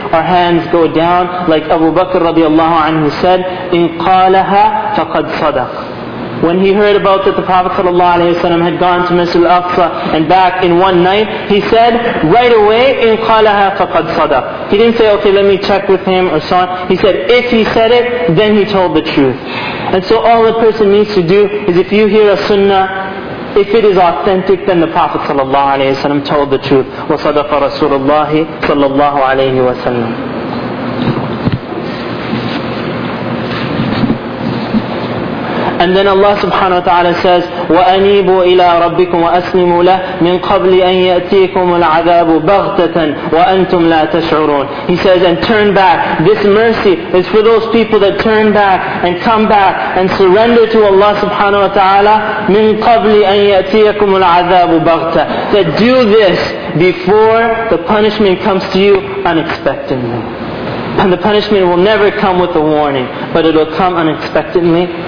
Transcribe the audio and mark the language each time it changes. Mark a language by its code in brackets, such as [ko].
[en] Our hands go down. Like Abu Bakr radiallahu anhu said, [ar] إِنْ قَالَهَا فَقَدْ صَدَقْ [en] When he heard about that the Prophet sallallahu alayhi wa sallam had gone to Masjid al-Aqsa and back in one night, he said right away, إِنْ قَالَهَا فَقَدْ صَدَقْ He didn't say, okay, let me check with him or so on. He said, if he said it, then he told the truth. And so all a person needs to do is if you hear a sunnah, if it is authentic, then the Prophet sallallahu alayhi wa sallam told the truth. [ar] وَصَدَقَ رَسُولُ اللَّهِ صَلَّى اللَّهُ عَلَيْهِ وَسَلَّمْ [en] And then Allah subhanahu wa ta'ala says, [ar] وَأَنِيبُوا إِلَىٰ رَبِّكُمْ وَأَسْلِمُوا لَهُ مِنْ قَبْلِ أَنْ يَأْتِيكُمُ الْعَذَابُ بَغْتَةً وَأَنْتُمْ لَا تَشْعُرُونَ [en] He says, and turn back. This mercy is for those people that turn back and come back and surrender to Allah subhanahu wa ta'ala [ar] مِنْ قَبْلِ أَنْ يَأْتِيكُمُ الْعَذَابُ بَغْتَةً [en] That do this before the punishment comes to you unexpectedly. And the punishment will never come with a warning, but it will come unexpectedly.